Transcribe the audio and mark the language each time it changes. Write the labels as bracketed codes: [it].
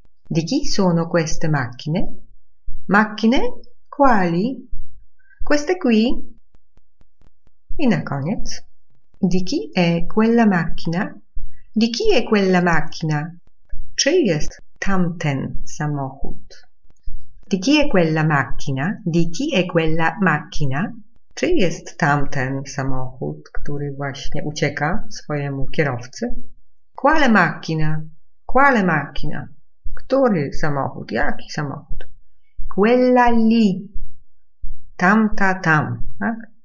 [it] Di chi sono queste macchine? Macchine? Quali? Queste qui? E [pl] na koniec. [it] Di chi è quella macchina? Di chi è quella macchina? [pl] Czy jest tamten samochód? [it] Di chi è quella macchina? Di chi è quella macchina? [pl] Czy jest tamten samochód, który właśnie ucieka swojemu kierowcy? [it] Quale macchina? Quale macchina? [pl] Który samochód? Jaki samochód? [it] Quella lì. [pl] Tamta tam. Tak?